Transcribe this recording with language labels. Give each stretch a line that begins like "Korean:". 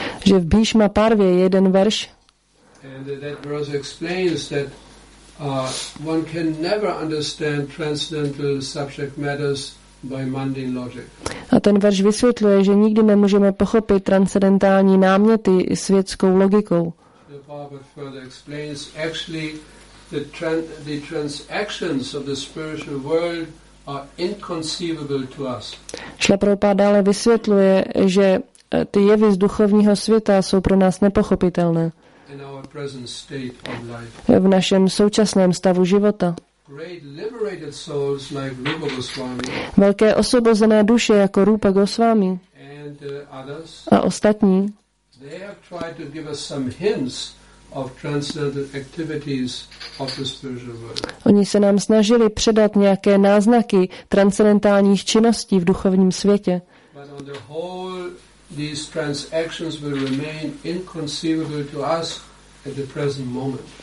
Czech: Že v Bhishma Parvě je jeden verš.
English: And that verse explains that one can never understand transcendental subject matters by mundane logic.
Czech: A ten verš vysvětluje, že nikdy nemůžeme pochopit transcendentální náměty světskou logikou.
English: The Prabhupada further explains actually the transactions of the spiritual world are inconceivable to us.
Czech: Šla Prabhupada dále vysvětluje, že ty jevy z duchovního světa jsou pro nás nepochopitelné.
English: In our present state of life.
Czech: V našem současném stavu života.
English: Great liberated souls like Rupa Goswami.
Czech: Velké osvobozené duše jako Rupa Goswami.
English: And others.
Czech: A ostatní.
English: They have tried to give us some hints of transcendental activities of the spiritual world.
Czech: Oni se nám snažili předat nějaké náznaky transcendentálních činností v duchovním světě.
English: But on the whole, these transactions will remain inconceivable to us at the present moment.